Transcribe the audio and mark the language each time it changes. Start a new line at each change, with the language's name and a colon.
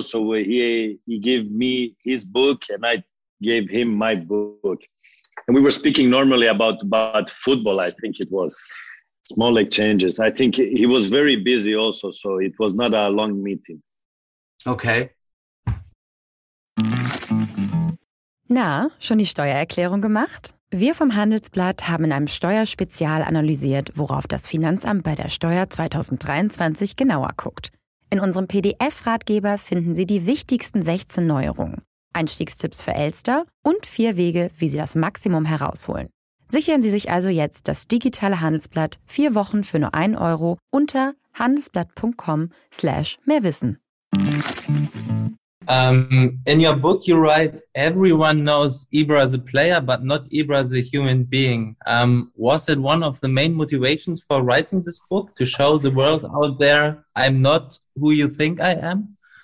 English: So he gave me his book and I gave him my book. And we were speaking normally about football, I think it was. Small exchanges. I think he was very busy also. So it was not a long meeting. Okay.
German: Na, schon die Steuererklärung gemacht? Wir vom Handelsblatt haben in einem Steuerspezial analysiert, worauf das Finanzamt bei der Steuer 2023 genauer guckt. In unserem PDF-Ratgeber finden Sie die wichtigsten 16 Neuerungen, Einstiegstipps für Elster und 4 Wege, wie Sie das Maximum herausholen. Sichern Sie sich also jetzt das digitale Handelsblatt 4 Wochen für nur 1 Euro unter handelsblatt.com/mehrwissen.
English: In your book, you write, everyone knows Ibra as a player, but not Ibra as a human being. Was it one of the main motivations for writing this book, to show the world out there I'm not who you think I am?